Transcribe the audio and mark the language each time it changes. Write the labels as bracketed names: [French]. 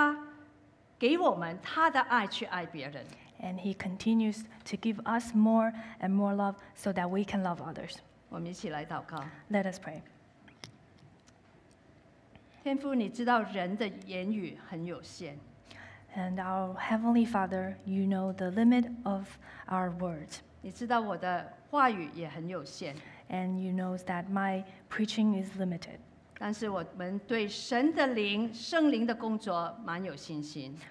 [Chinese] 祂也一直地增加给我们祂的爱去爱别人。 [English] And He continues to give us more and more love so that we can love others. [Chinese] 我们一起来祷告。 [English] Let us pray. [Chinese] 天父，你知道人的言语很有限。 [English] And our Heavenly Father, you know the limit of our words. [Chinese] 你知道我的话语也很有限。 [English] And you know that my preaching is limited. [Chinese] 但是我们对神的灵、圣灵的工作蛮有信心。